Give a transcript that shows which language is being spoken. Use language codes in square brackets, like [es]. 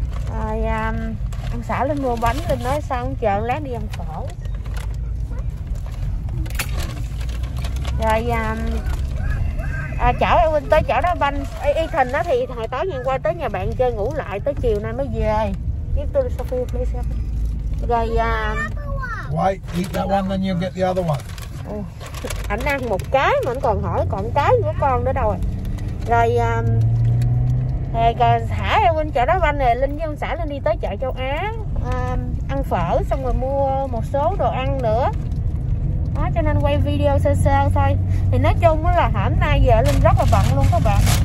[vi] Rồi ông xã lên mua bánh, lên nói xong chợ lát đi ăn phở. Rồi chở Elvin tới chở đá banh. Ethan đó thì hồi tối ngày qua tới nhà bạn chơi ngủ lại, tới chiều nay mới về. [en] Give to the Sophia, please help. [vi] Rồi [en] wait, eat that one, then you'll get the other one. [vi] Ảnh ăn một cái mà anh còn hỏi còn cái của con nữa đâu rồi. Rồi còn thả Elvin chở đá banh này, Linh với ông xã lên đi tới chợ Châu Á ăn phở xong rồi mua một số đồ ăn nữa. Đó, cho nên quay video sơ sơ thôi. Thì nói chung là hôm nay giờ Linh rất là bận luôn các bạn.